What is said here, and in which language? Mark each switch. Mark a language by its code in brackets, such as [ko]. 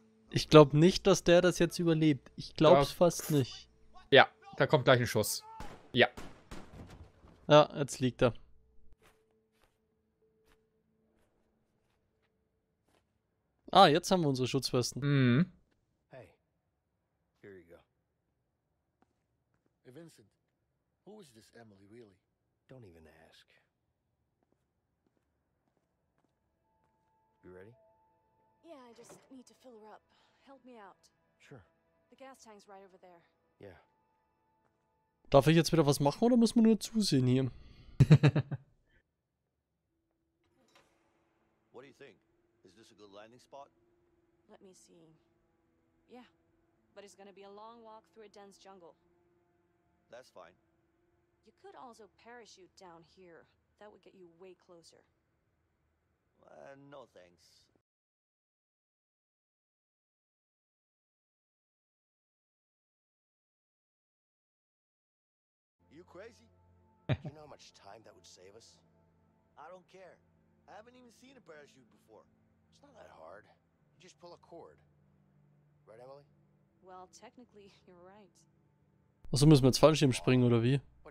[de] Ich glaube nicht, dass der das jetzt überlebt. Ich glaube es fast nicht. Ja, da kommt gleich ein Schuss. Ja. Ja, jetzt liegt er. Ah, jetzt haben wir unsere Schutzwesten. Mhm. [en] Hey. Here you go. Hey Vincent, who is this Emily really? Don't even ask. You ready? Yeah, I just need to fill her up. Help me out. Sure. The gas tank's right over there. Yeah. [de] Darf ich jetzt wieder was machen oder muss man nur zusehen hier? [en] What do you think? Is this a good landing spot? Let me see. Yeah. But it's gonna be a long walk through a dense jungle. That's fine. You could also parachute down here. That would get you way closer. No thanks. You crazy? Do you know how much time that would save us? I don't care. I haven't even seen a parachute before. It's not that hard. You just pull a cord. Right, Emily? Well, technically, you're right. [de] Also müssen wir jetzt Fallschirm springen oder wie?